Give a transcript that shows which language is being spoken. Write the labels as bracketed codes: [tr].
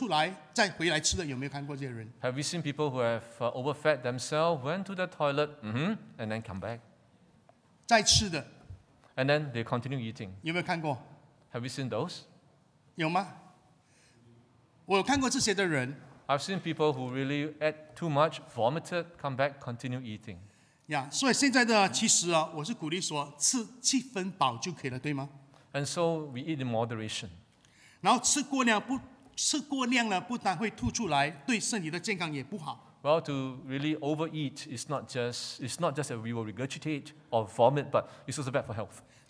[zh] 请问大家有没有看过一些人，就是吃到很饱之后，然后去到厕所吐了出来，再回来吃的，有没有看过这些人？ [en] Have we seen people who have overfed themselves, went to the toilet, and then come back? [zh] 再吃的， [en] and then they continue eating. [zh] 有没有看过？ [en] Have we seen those? [zh] 有吗？我有看过这些的人。 [en] I've seen people who really ate too much, vomited, come back, continue eating. [zh] Yeah, 所以现在的其实我是鼓励说吃七分饱就可以了，对吗？ [en] And so we eat in moderation. [zh] 然后吃过量了不但会吐出来，对身体的健康也不好。 [en] Well, to really overeat is not just that we will regurgitate or vomit, but it's also bad for health.